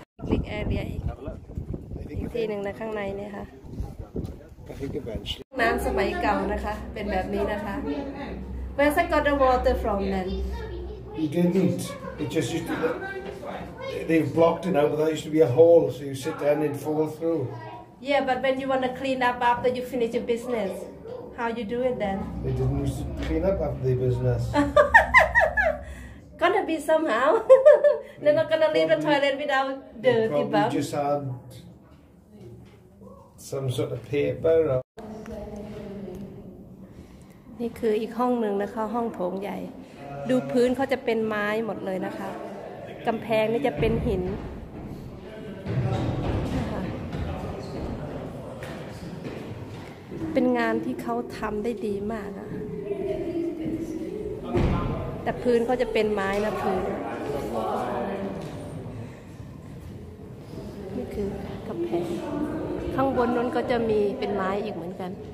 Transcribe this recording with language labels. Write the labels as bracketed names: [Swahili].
[Thai] ลิกแอร์เรียอีกทีหนึ่งในข้างในนี่ค่ะน้ำสมัยเก่านะคะเป็นแบบนี้นะคะ [English] Where did I get the water from then? You didn't. It just used to be... They've blocked it now, but that used to be a hole, so you sit down and fall through. Yeah, but when you want to clean up after you finish your business, how you do it then? They didn't used to clean up after their business. Gonna be somehow. They're not gonna leave the toilet without dirty bum. Probably just had some sort of paper. This is another room, and it's a big room. The floor is going to be made of wood. [Thai] กำแพงนี่จะเป็นหินเป็นงานที่เขาทำได้ดีมากแต่พื้นก็จะเป็นไม้นะพื้นนี่คือกำแพงข้างบนนั้นก็จะมีเป็นไม้อีกเหมือนกัน